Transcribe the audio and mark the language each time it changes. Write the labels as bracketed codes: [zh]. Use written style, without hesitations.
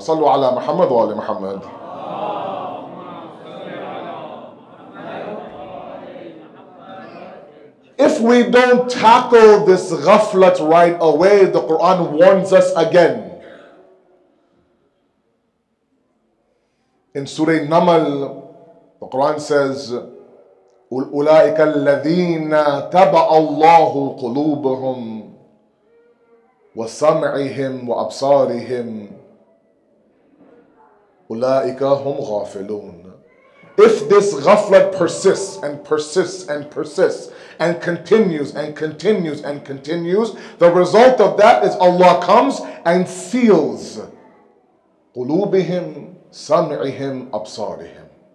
[ar] Sallu ala Muhammad wa ala Muhammad. [en] If we don't tackle this ghaflat right away, the Quran warns us again. In Surah Naml, the Quran says, [ar] أُولَٰئِكَ الَّذِينَ تَبَعَ اللَّهُ قُلُوبُهُمْ وَسَمْعِهِمْ وَأَبْصَارِهِمْ أُولَٰئِكَ هُمْ غَافِلُونَ. [en] If this ghaflat persists and persists and persists and continues and continues and continues, the result of that is Allah comes and seals [ar] قُلُوبِهِمْ سَمْعِهِمْ أَبْصَارِهِمْ.